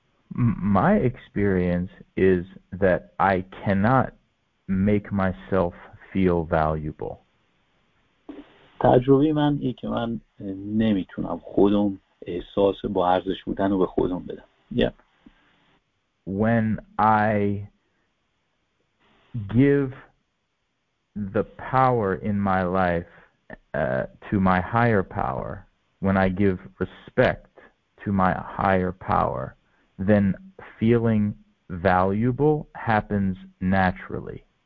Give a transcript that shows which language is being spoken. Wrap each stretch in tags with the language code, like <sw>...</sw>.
<en>My experience is that I cannot make myself feel valuable.</en> <fa>تجربه من ای که من نمیتونم خودم احساس با ارزش بودن رو به خودم بدم.</fa> <en>When I give the power in my life to my higher power, when I give respect to my higher power, then feeling valuable happens naturally.</en>